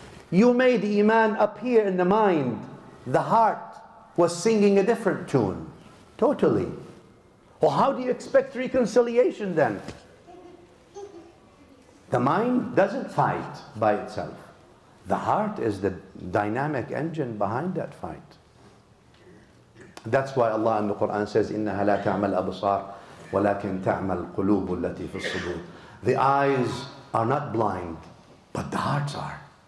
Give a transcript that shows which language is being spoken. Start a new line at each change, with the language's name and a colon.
English: You made Iman up here in the mind. The heart was singing a different tune. Totally. Well, how do you expect reconciliation then? The mind doesn't fight by itself. The heart is the dynamic engine behind that fight. That's why Allah in the Quran says,
Arabic: إِنَّهَا لَا تَعْمَى الْأَبْصَارِ وَلَكِنْ تَعْمَى الْقُلُوبُ الَّتِي فِي الصُّدُورِ.
English: The eyes are not blind, but the hearts are.